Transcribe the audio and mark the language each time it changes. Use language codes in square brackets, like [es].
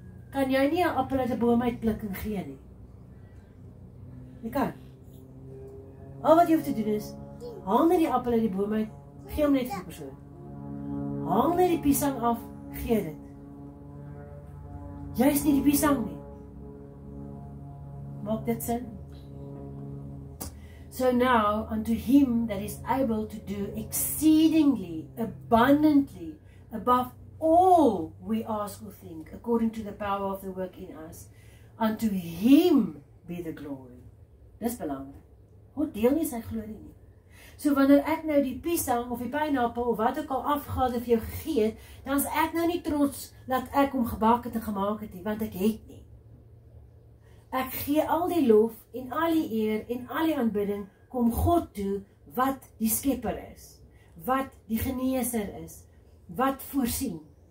[af] Kan jy nie 'n appel uit 'n boom uitpluk en gee nie? Jy kan. Al wat jy hoef te doen is, haal net die appel uit die boom uit, gee hom net vir die persoon. Haal net die piesang af, gee dit. Jy is nie die piesang nie. Maak dit sin? [en] So now, unto him that is able to do exceedingly, abundantly, above all we ask or think, according to the power of the work in us, unto him be the glory. [af] Dis belangrik. God deel nie sy glorie nie. So wanneer ek nou die piesang of die pineappel of wat ek al afgehaalde vir jou gegee het, dan is ek nou nie trots dat ek hom gebak het en gemaak het nie, want ek het nie. Ek gee al die lof en al die eer en al die aanbidding kom God toe wat die skepper is, wat die geneeser is, wat voorsien.